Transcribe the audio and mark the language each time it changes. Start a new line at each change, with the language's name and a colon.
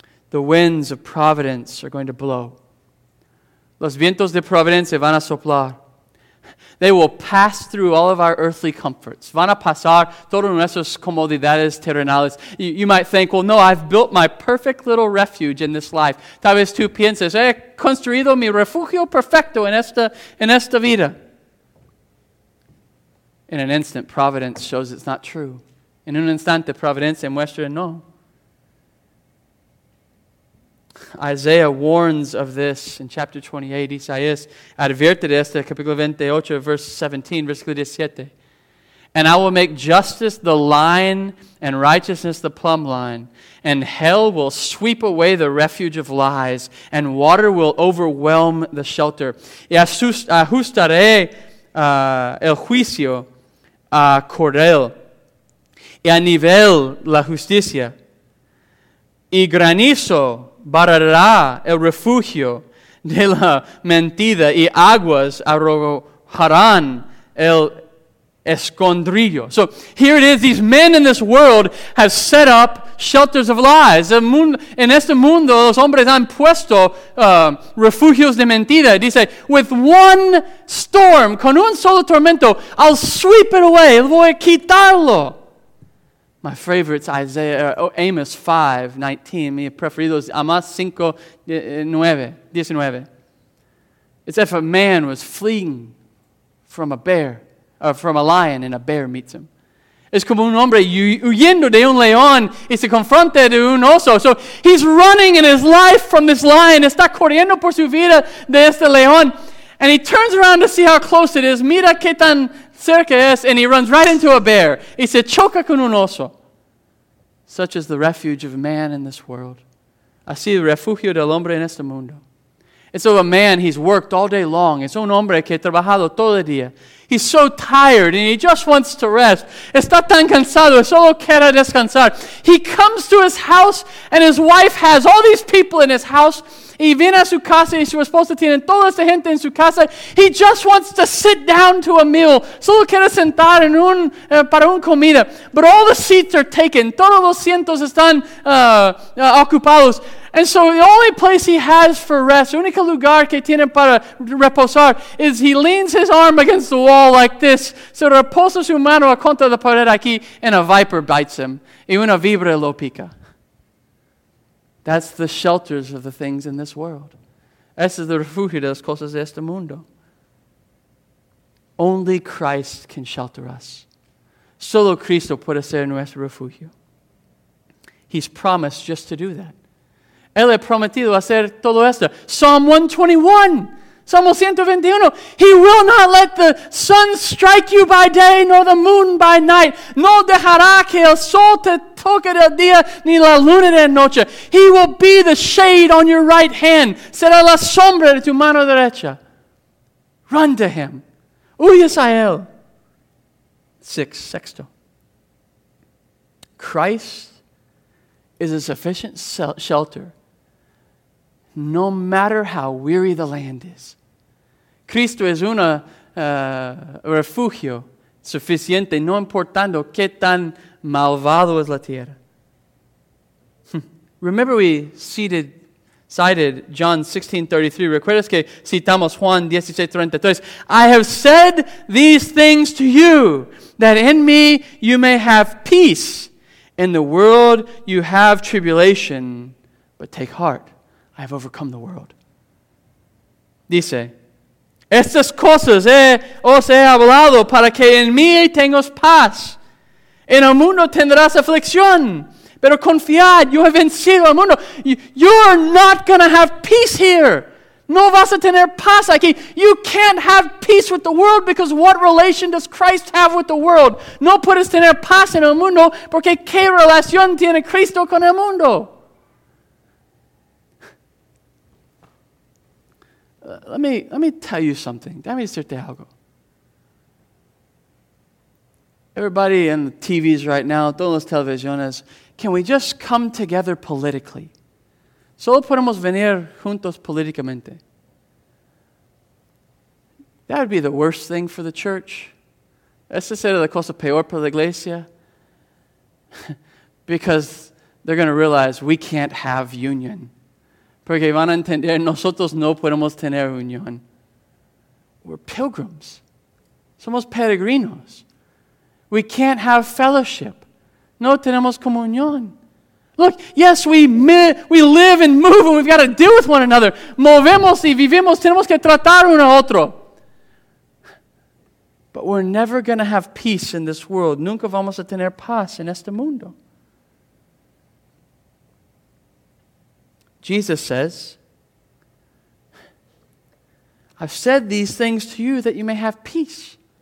English: The winds of providence are going to blow.
Spanish: Los vientos de providencia van a soplar.
English: They will pass through all of our earthly comforts.
Spanish: Van a pasar todas nuestras comodidades terrenales.
English: You might think, well, no, I've built my perfect little refuge in this life.
Spanish: Tal vez tú pienses, he construido mi refugio perfecto en esta vida.
English: In an instant, providence shows it's not true.
Spanish: En un instante, providencia muestra no.
English: Isaiah warns of this in chapter 28.
Spanish: Isaías advierte de este, capítulo 28,
English: verse 17,
Spanish: versículo 17.
English: And I will make justice the line and righteousness the plumb line. And hell will sweep away the refuge of lies. And water will overwhelm the shelter.
Spanish: Y ajustaré el juicio a cordel. Y a nivel la justicia. Y granizo barrerá el refugio de la mentira. Y aguas arrojarán el escondrillo.
English: So here it is. These men in this world have set up shelters of lies.
Spanish: En este mundo, los hombres han puesto refugios de mentira. Dice,
English: with one storm,
Spanish: con un solo tormento,
English: I'll sweep it away.
Spanish: Voy a quitarlo.
English: My favorite's Amos 5, 19.
Spanish: Mi preferido es Amos 5, 19.
English: It's if a man was fleeing from a bear, from a lion, and a bear meets him.
Spanish: Es como un hombre huyendo de un león y se confronta de un oso.
English: So he's running in his life from this lion.
Spanish: Está corriendo por su vida de este león.
English: And he turns around to see how close it is.
Spanish: Mira qué tan cerca es.
English: And he runs right into a bear.
Spanish: Y se choca con un oso.
English: Such is the refuge of man in this world.
Spanish: Así el refugio del hombre en este mundo.
English: And so a man, he's worked all day long.
Spanish: Es un hombre que ha trabajado todo el día.
English: He's so tired and he just wants to rest.
Spanish: Está tan cansado, solo quiere descansar.
English: He comes to his house and his wife has all these people in his house.
Spanish: Y viene a su casa y su esposa tiene toda esa gente en su casa.
English: He just wants to sit down to a meal.
Spanish: Solo quiere sentar en un, para un comida.
English: But all the seats are taken.
Spanish: Todos los asientos están ocupados.
English: And so the only place he has for rest,
Spanish: el único lugar que tiene para reposar,
English: is he leans his arm against the wall like this.
Spanish: Se reposa su mano contra la pared aquí,
English: and a viper bites him.
Spanish: Y una víbora lo pica.
English: That's the shelters of the things in this world.
Spanish: Ese es el refugio de las cosas de este mundo.
English: Only Christ can shelter us.
Spanish: Solo Cristo puede ser nuestro refugio.
English: He's promised just to do that.
Spanish: Él ha prometido hacer todo esto.
English: Psalm 121.
Spanish: Salmo 121.
English: He will not let the sun strike you by day, nor the moon by night.
Spanish: No dejará que el sol te toque del día, ni la luna de noche.
English: He will be the shade on your right hand.
Spanish: Será la sombra de tu mano derecha.
English: Run to him.
Spanish: Huyes a él. Sexto.
English: Christ is a sufficient shelter. No matter how weary the land is.
Spanish: Cristo es un refugio suficiente, no importando qué tan malvado es la tierra.
English: Remember we cited John 16:33.
Spanish: ¿Recuerdas que citamos Juan 16:33?
English: I have said these things to you, that in me you may have peace. In the world you have tribulation, but take heart. I have overcome the world.
Spanish: Dice, estas cosas os he hablado para que en mí tengas paz. En el mundo tendrás aflicción. Pero confiad, yo he vencido al mundo.
English: You're not going to have peace here.
Spanish: No vas a tener paz aquí.
English: You can't have peace with the world because what relation does Christ have with the world?
Spanish: No puedes tener paz en el mundo porque qué relación tiene Cristo con el mundo.
English: Let me tell you something.
Spanish: Déjame decirte algo.
English: Everybody in the TVs right now,
Spanish: todas las televisiones,
English: can we just come together politically?
Spanish: Solo podemos venir juntos políticamente.
English: That would be the worst thing for the church.
Spanish: Esa sería la cosa peor para la iglesia.
English: Because they're going to realize we can't have union.
Spanish: Porque van a entender, nosotros no podemos tener unión.
English: We're pilgrims.
Spanish: Somos peregrinos.
English: We can't have fellowship.
Spanish: No tenemos comunión.
English: Look, yes, we live and move and we've got to deal with one another.
Spanish: Movemos y vivimos, tenemos que tratar uno a otro.
English: But we're never going to have peace in this world.
Spanish: Nunca vamos a tener paz en este mundo.
English: Jesus says, I've said these things to you that you may have peace.